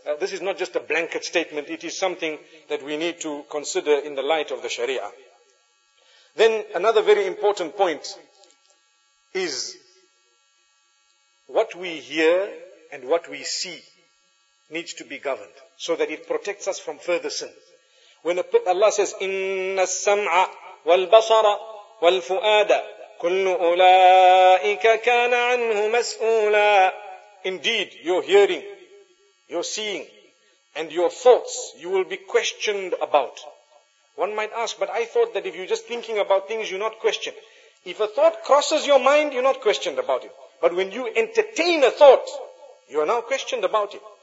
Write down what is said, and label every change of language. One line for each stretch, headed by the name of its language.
English: This is not just a blanket statement. It is something that we need to consider in the light of the Sharia. Then, another very important point is what we hear and what we see needs to be governed, so that it protects us from further sin. When Allah says,
Arabic: إِنَّ السَّمْعَ وَالْبَصَرَ وَالْفُؤَادَ كُلُّ أُولَٰئِكَ كَانَ عَنْهُ مَسْئُولًا.
English: Indeed, your hearing, your seeing, and your thoughts, you will be questioned about. One might ask, but I thought that if you're just thinking about things, you're not questioned. If a thought crosses your mind, you're not questioned about it. But when you entertain a thought, you are now questioned about it.